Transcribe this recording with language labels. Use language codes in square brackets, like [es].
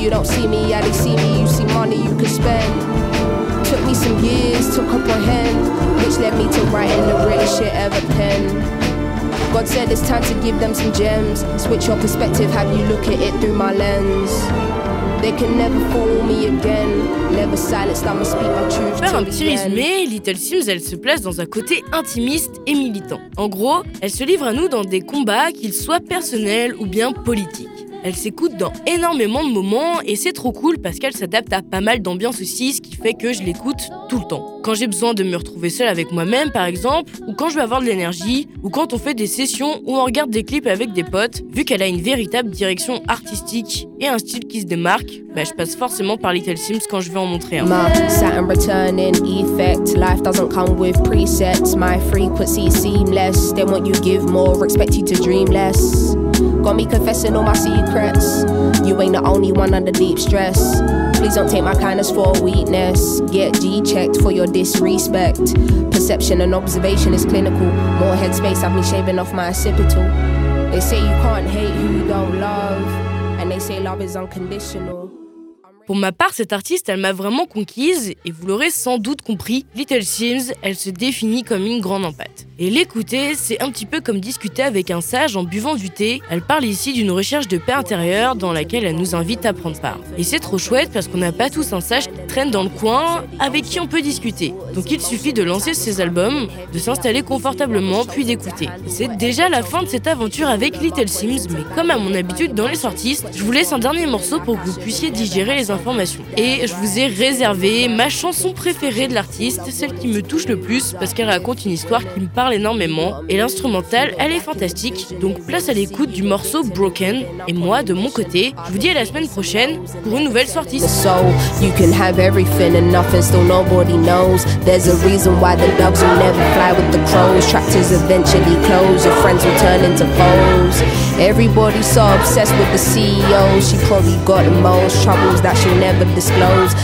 [en] You don't see me, yeah, they see me. You see money you could spend. Took me some years to comprehend, which led me to writing the greatest shit ever penned. God said it's time to give them some gems. Switch your perspective, have you look at it through my lens. They can never fool me again. Never silence, I'ma speak my truth. [fr] Pour faire un petit résumé, Little Simz, elle se place dans un côté intimiste et militant. En gros, elle se livre à nous dans des combats, qu'ils soient personnels ou bien politiques. Elle s'écoute dans énormément de moments et c'est trop cool parce qu'elle s'adapte à pas mal d'ambiances aussi, ce qui fait que je l'écoute tout le temps. Quand j'ai besoin de me retrouver seule avec moi-même par exemple, ou quand je veux avoir de l'énergie, ou quand on fait des sessions ou on regarde des clips avec des potes, vu qu'elle a une véritable direction artistique et un style qui se démarque, je passe forcément par Little Simz quand je veux en montrer un. [en] My Saturn returning effect, life doesn't come with presets, my frequency seamless, then what you give more, expect you to dream less. Got me confessing all my secrets. You ain't the only one under deep stress. Please don't take my kindness for a weakness. Get G-checked for your disrespect. Perception and observation is clinical. More headspace have me shaving off my occipital. They say you can't hate who you don't love. And they say love is unconditional. [fr] Pour ma part, cette artiste, elle m'a vraiment conquise et vous l'aurez sans doute compris, Little Simz, elle se définit comme une grande empathe. Et l'écouter, c'est un petit peu comme discuter avec un sage en buvant du thé. Elle parle ici d'une recherche de paix intérieure dans laquelle elle nous invite à prendre part. Et c'est trop chouette parce qu'on n'a pas tous un sage qui traîne dans le coin avec qui on peut discuter. Donc il suffit de lancer ses albums, de s'installer confortablement puis d'écouter. C'est déjà la fin de cette aventure avec Little Simz, mais comme à mon habitude dans les sorties, je vous laisse un dernier morceau pour que vous puissiez digérer les informations. Et je vous ai réservé ma chanson préférée de l'artiste, celle qui me touche le plus parce qu'elle raconte une histoire qui me parle énormément et l'instrumental, elle est fantastique. Donc place à l'écoute du morceau Broken et moi de mon côté, je vous dis à la semaine prochaine pour une nouvelle sortie. [en] So you can have everything and nothing, still nobody knows. There's a reason why the dogs will never fly with the crows. Tractors eventually close, your friends will turn into foes. Everybody's so obsessed with the CEO. She probably got the most troubles that she'll never disclose.